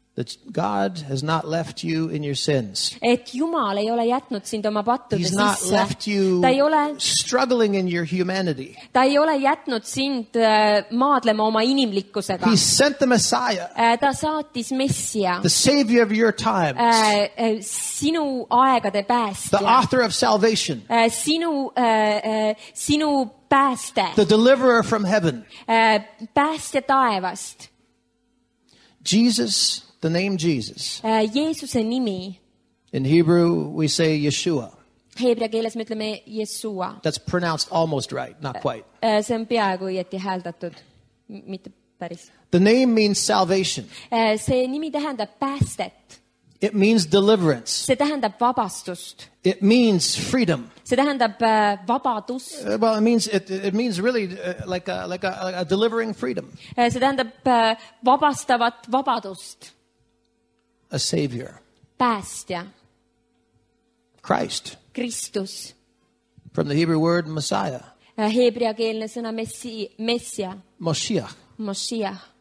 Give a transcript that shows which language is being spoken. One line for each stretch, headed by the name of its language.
English: That God has not left you in your sins.
Estonian: Et Jumal ei ole jätnud sind oma pattude sisse.
English: He's not left you struggling in your humanity.
Estonian: Ta ei ole jätnud sind maadlema oma inimlikkusega.
English: He sent the Messiah.
Estonian: Ta saatis Messia.
English: The savior of your times.
Estonian: Sinu aegade päästja.
English: The author of salvation.
Estonian: Sinu pääste.
English: The deliverer from heaven.
Estonian: Päästja taevast.
English: Jesus, the name Jesus.
Estonian: Jeesuse nimi.
English: In Hebrew we say Yeshua.
Estonian: Heebrea keeles me ütleme Yeshua.
English: That's pronounced almost right, not quite.
Estonian: See on peaaegu õieti hääldatud, mitte päris.
English: The name means salvation.
Estonian: See nimi tähendab päästet.
English: It means deliverance.
Estonian: See tähendab vabastust.
English: It means freedom.
Estonian: See tähendab vabadust.
English: Well, it means really like a delivering freedom.
Estonian: See tähendab vabastavat vabadust.
English: A savior.
Estonian: Päästja.
English: Christ.
Estonian: Kristus.
English: From the Hebrew word Messiah.
Estonian: Heebrea keelne sõna messia.
Hebrew: Moshiach. Moshiach.